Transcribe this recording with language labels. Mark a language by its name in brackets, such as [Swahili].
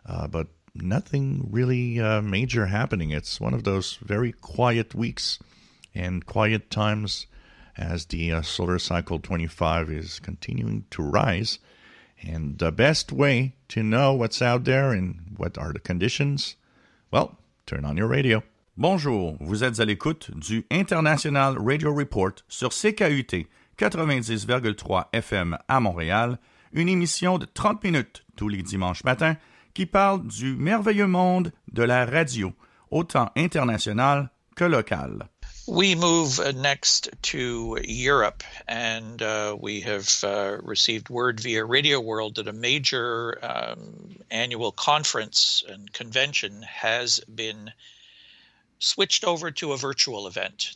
[English] But nothing really major happening. It's one of those very quiet weeks and quiet times as the solar cycle 25 is continuing to rise. And the best way to know what's out there and what are the conditions, well, turn on your radio. [French] Bonjour, vous êtes à l'écoute du International Radio Report sur CKUT 90,3 FM à Montréal, une émission de 30 minutes tous les dimanches matins qui parle du merveilleux monde de la radio, autant international que local. [English] We move next to Europe, and we have received word via Radio World that a major annual conference and convention has been switched over to a virtual event.